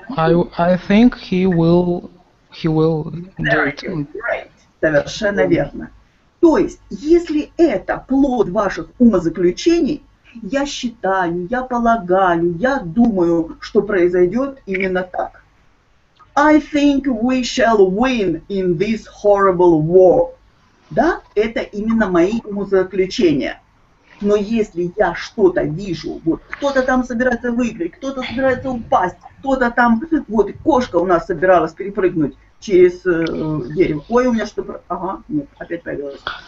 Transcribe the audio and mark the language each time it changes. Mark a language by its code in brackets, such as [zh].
[en] I think he will do it. [ru] Совершенно верно. То есть, если это плод ваших умозаключений, я считаю, я полагаю, я думаю, что произойдет именно так. [en] I think we shall win in this horrible war. [ru] Да, это именно мои умозаключения. Но если я что-то вижу, вот кто-то там собирается выиграть, кто-то собирается упасть, кто-то там, вот кошка у нас собиралась перепрыгнуть через дерево. Ой, у меня что-то... Ага, нет, опять появилось.